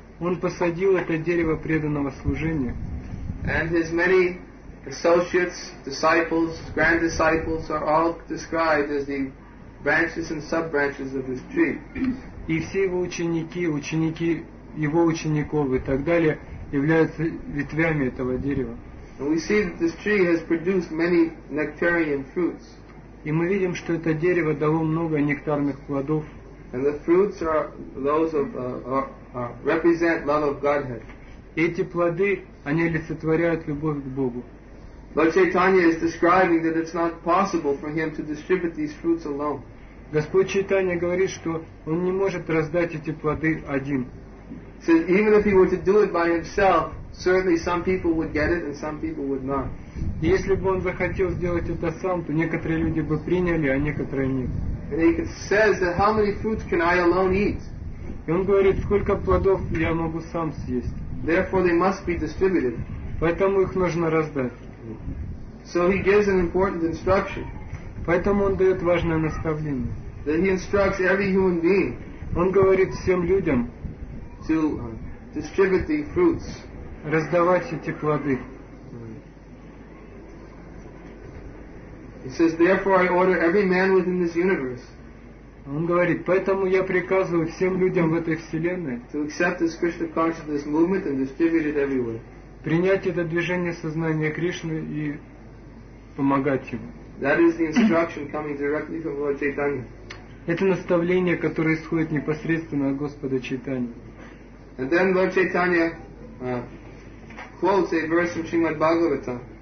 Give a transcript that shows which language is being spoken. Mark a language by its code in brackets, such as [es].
[ru] Он посадил это дерево преданного служения. [en] And his many associates, disciples, grand disciples are all described as the branches and sub-branches of his tree. [ru] И все его ученики, ученики его учеников и так далее являются ветвями этого дерева. [en] And we see that this tree has produced many nectarian fruits. [ru] И мы видим, что это дерево дало много нектарных плодов. [en] And the fruits are those of represent love of Godhead. [ru] И эти плоды, они олицетворяют любовь к Богу. [en] Lord Chaitanya is describing that it's not possible for him to distribute these fruits alone. [ru] Господь Чайтанья говорит, что он не может раздать эти плоды один. [en] So even if he were to do it by himself, certainly some people would get it and some people would not. [ru] Если бы он захотел сделать это сам, то некоторые люди бы приняли, а некоторые нет. [en] And he says that how many fruits can I alone eat? [ru] И он говорит, сколько плодов я могу сам съесть. [en] Therefore they must be distributed. [ru] Поэтому их нужно раздать. [en] So he gives an important instruction. [ru] Поэтому он дает важное наставление. [en] That he instructs every human being. [ru] Он говорит всем людям [en] to distribute the fruits. [ru] Раздавать эти плоды. [en] He says, therefore I order every man within this universe. [ru] Он говорит, поэтому я приказываю всем людям в этой вселенной [en] to accept this Krishna consciousness movement and distribute it everywhere. [ru] Принять это движение сознания Кришны и помогать ему. [en] That is the instruction coming directly from Lord Chaitanya. [ru] Это наставление, которое исходит непосредственно от Господа Чайтаньи. [en] And then Lord Chaitanya quotes a verse from Srimad Bhagavatam.